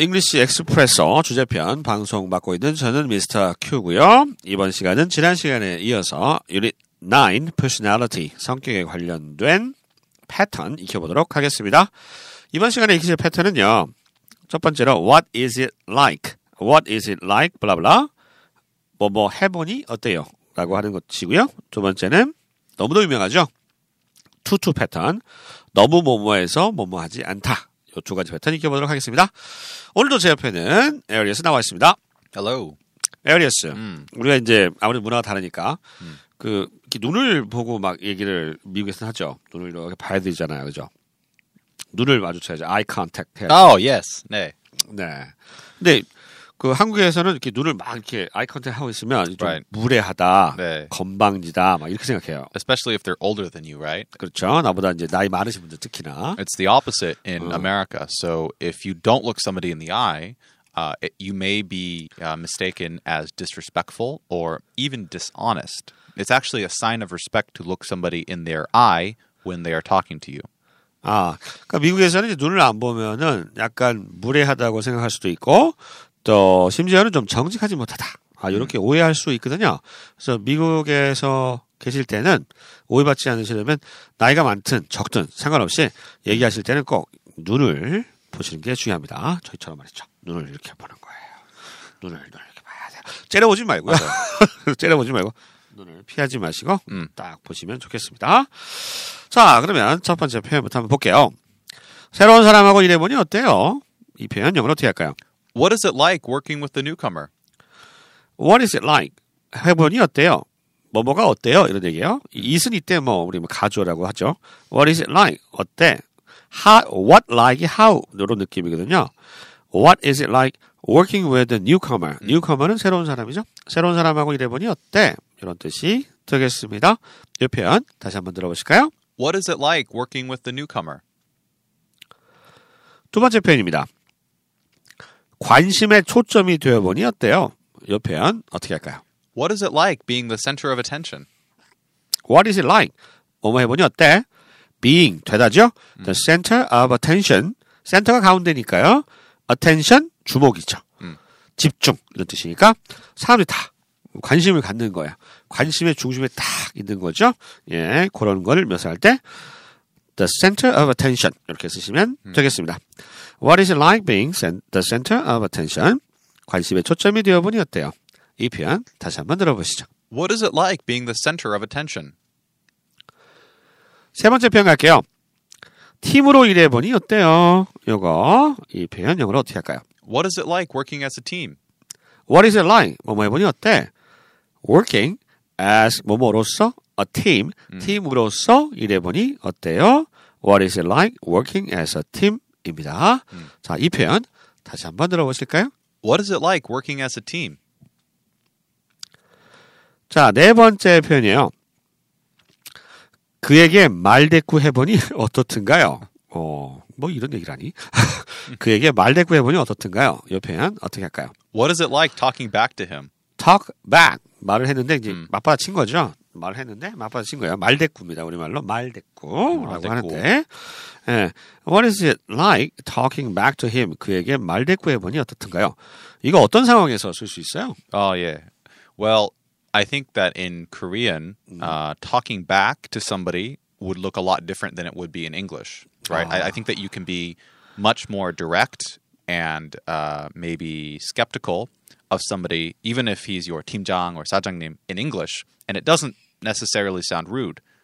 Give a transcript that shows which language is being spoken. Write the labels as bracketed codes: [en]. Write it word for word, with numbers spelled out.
[ko] 잉글리시 엑스프레소 주제편 방송 맡고 있는 저는 미스터 Q고요. 이번 시간은 지난 시간에 이어서 유닛 나인 Personality 성격에 관련된 패턴 익혀보도록 하겠습니다. 이번 시간에 익히실 패턴은요. 첫 번째로 [en] What is it like? What is it like? [ko] 블라블라 뭐 뭐 해보니 어때요? 라고 하는 것이고요. 두 번째는 너무도 유명하죠. 투투 패턴 너무 뭐뭐해서 뭐뭐하지 않다. 두 가지 패턴 익혀보도록 하겠습니다. 오늘도 제 옆에는 에어리어스 나와 있습니다. [en] Hello. [ko] 에어리어스. 음. 우리가 이제 아무래도 문화가 다르니까 음. 그 이렇게 눈을 보고 막 얘기를 미국에서는 하죠. 눈을 이렇게 봐야 되잖아요, 그죠? 눈을 마주쳐야죠. Eye contact. 해야죠. [en] Oh yes. [ko] 네. 네. 근데 그 한국에서는 이렇게 눈을 막 이렇게 eye contact 하고 있으면 좀 [en] Right. [ko] 무례하다, 네. 건방지다, 막 이렇게 생각해요. [en] Especially if they're older than you, right? [ko] 그렇죠. 나보다 이제 나이 많으신 분들 특히나. [en] It's the opposite in Oh. America. So if you don't look somebody in the eye, uh, it, you may be uh, mistaken as disrespectful or even dishonest. It's actually a sign of respect to look somebody in their eye when they are talking to you. [ko] 아, 그러니까 미국에서는 이제 눈을 안 보면은 약간 무례하다고 생각할 수도 있고 또 심지어는 좀 정직하지 못하다. 아, 이렇게 오해할 수 있거든요. 그래서 미국에서 계실 때는 오해받지 않으시려면 나이가 많든 적든 상관없이 얘기하실 때는 꼭 눈을 보시는 게 중요합니다. 저희처럼 말이죠. 눈을 이렇게 보는 거예요. 눈을 눈을 이렇게 봐야 돼요. 째려보지 말고요. 째려보지 말고 눈을 피하지 마시고 음. 딱 보시면 좋겠습니다. 자, 그러면 첫 번째 표현부터 한번 볼게요. 새로운 사람하고 일해보니 어때요? 이 표현 영어로 어떻게 할까요? [en] What is it like working with the newcomer? What is it like? [ko] 해보니 어때요? 뭐뭐가 어때요? 이런 얘기예요. 이순이 때 뭐 우리 뭐 가조라고 하죠. [en] What is it like? [ko] 어때? [en] How, what like? How? [ko] 이런 느낌이거든요. [en] What is it like working with a newcomer? [ko] newcomer는 새로운 사람이죠. 새로운 사람하고 일해보니 어때? 이런 뜻이 되겠습니다. 이 표현 다시 한번 들어보실까요? [en] What is it like working with the newcomer? [ko] 두 번째 표현입니다. 관심의 초점이 되어보니 어때요? 이 표현 어떻게 할까요? What is it like being the center of attention? [en] What is it like? [ko] 뭐뭐 해보니 어때? Being, 되다죠? [en] The center of attention. [ko] 센터가 가운데니까요. Attention, 주목이죠. 음. 집중, 이런 뜻이니까 사람들이 다 관심을 갖는 거예요. 관심의 중심에 딱 있는 거죠. 예, 그런 거를 묘사할 때 [en] The center of attention, [ko] 이렇게 쓰시면 되겠습니다. [en] What is it like being cen- the center of attention? [ko] 관심의 초점이 되어보니 어때요? 이 표현 다시 한번 들어보시죠. [en] What is it like being the center of attention? [ko] 세 번째 표현 갈게요. 팀으로 일해보니 어때요? 요거 이 표현 영어로 어떻게 할까요? [en] What is it like working as a team? What is it like? [ko] 뭐뭐 해보니 어때? [en] Working as [ko] 뭐뭐로서 a team, 팀으로서 일해보니 어때요? [en] What is it like working as a team입니다. [ko] 자, 이 표현 다시 한번 들어보실까요? [en] What is it like working as a team? [ko] 자, 네 번째 표현이에요. 그에게 말대꾸 해보니 어떻든가요? 어, 뭐 이런 얘기라니? 그에게 말대꾸 해보니 어떻든가요? 이 표현 어떻게 할까요? [en] What is it like talking back to him? talk back. [ko] 말을 했는데 이제 맞받아친 거죠. 말을 했는데 맞받아친 거예요. 말대꾸입니다. 우리말로 말대꾸라고 말대꾸. 하는데 예. [en] What is it like talking back to him? [ko] 그에게 말대꾸 해보니 어떻든가요? 이거 어떤 상황에서 쓸 수 있어요? [en] Oh, yeah. Well, I think that in Korean, uh, talking back to somebody would look a lot different than it would be in English, right? I, I think that you can be much more direct and uh, maybe skeptical of somebody, even if he's your timjang or sajangnim in English, and it doesn't necessarily sound rude.